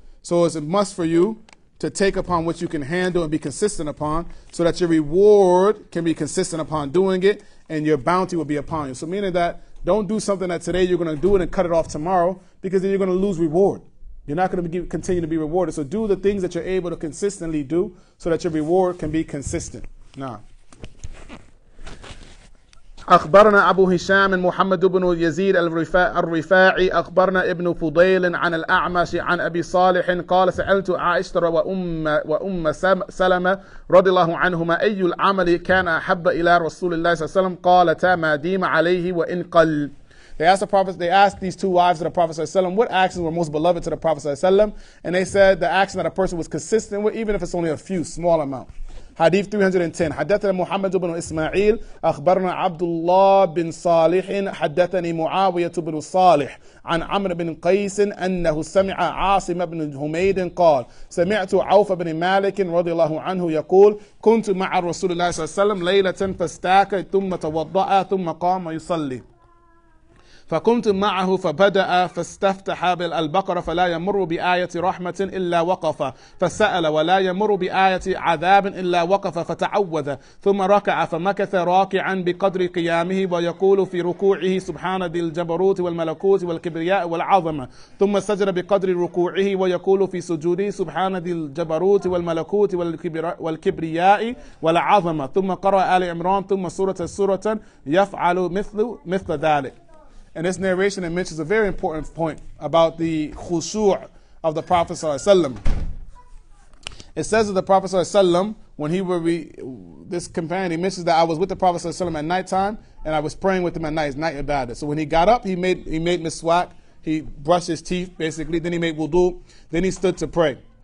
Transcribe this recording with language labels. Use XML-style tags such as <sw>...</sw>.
<en>So it's a must for you to take upon what you can handle and be consistent upon so that your reward can be consistent upon doing it and your bounty will be upon you. So meaning that don't do something that today you're going to do it and cut it off tomorrow, because then you're going to lose reward. You're not going to continue to be rewarded. So do the things that you're able to consistently do so that your reward can be consistent. Now.</en> <ar>أخبرنا أبو هشام محمد بن يزيد الرفاعي أخبرنا ابن فضيل عن الأعمش عن أبي صالح قال سألت عائشة وأم سلمة رضي الله عنهما أي العمل كان أحب إلى رسول الله صلى الله عليه وسلم قالتا ما ديم عليه وإن قل.</ar> <en>They asked the Prophet, they asked these two wives of the Prophet ﷺ what actions were most beloved to the Prophet ﷺ, and they said the action that a person was consistent with, even if it's only a few, small amount.</en> <ar>Hadith 310. Hadathana Muhammad ibn Ismail, akhbarna Abdullah bin Salih, hadathani Muawiyah ibn Salih, an Amr ibn Qais, annahu sami'a Asim ibn Humayd qal, sami'tu Awf ibn Malik radiyallahu anhu yaqul, kuntu ma'a Rasulillah sallallahu alayhi wasallam laylatan fastaka thumma tawadda'a thumma qama yusalli. فكنت معه فبدأ فاستفتح بالبقرة فلا يمر بآية رحمة إلا وقف فسأل ولا يمر بآية عذاب إلا وقف فتعوذ ثم ركع فمكث راكعا بقدر قيامه ويقول في ركوعه سبحان ذي الجبروت والملكوت والكبرياء والعظمة ثم سجد بقدر ركوعه ويقول في سجوده سبحان ذي الجبروت والملكوت والكبرياء والعظمة ثم قرأ آل عمران ثم سورة يفعل مثل ذلك.</ar> <en>And this narration, it mentions a very important point about the khushu' of the Prophet ﷺ. It says that the Prophet Sallallahu Alaihi Wasallam, when he would be, this companion, he mentions that I was with the Prophet Sallallahu Alaihi Wasallam at nighttime, and I was praying with him at night, his night ibadah. So when he got up, he made miswak, he brushed his teeth, basically, then he made wudu, then he stood to pray.</en>